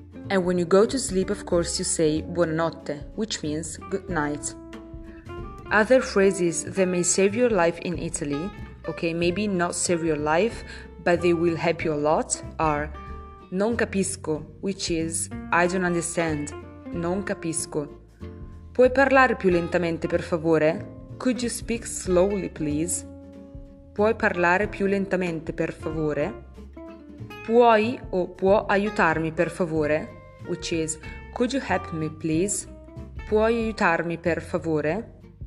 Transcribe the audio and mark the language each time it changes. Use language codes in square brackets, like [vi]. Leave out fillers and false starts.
[en] And when you go to sleep, of course, you say buonanotte, which means good night. Other phrases that may save your life in Italy, okay, maybe not save your life, but they will help you a lot, are [it] non capisco, [en] which is I don't understand, non capisco. [it] Puoi parlare più lentamente, per favore? [en] Could you speak slowly, please? [it] Puoi parlare più lentamente, per favore? Puoi o può aiutarmi, per favore? [en] Which is, could you help me, please? [it] Puoi aiutarmi, per favore?